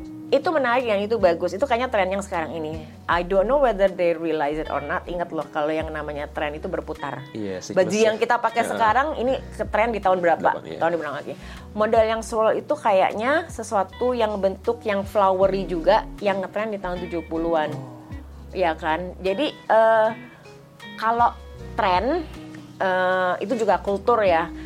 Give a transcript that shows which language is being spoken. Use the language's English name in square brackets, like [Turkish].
[Indonesian] Itu menarik, yang itu bagus, itu kayaknya tren yang sekarang ini. [English] I don't know whether they realize it or not. [Indonesian] Ingat loh, kalau yang namanya tren itu berputar. [English] Yeah, [Indonesian] baju yang kita pakai sekarang ini tren di tahun berapa? Tahun berapa lagi? Model yang swirl itu kayaknya sesuatu yang bentuk yang flowery juga, yang ngetren di tahun 70-an. Iya kan? Jadi kalau tren itu juga kultur ya.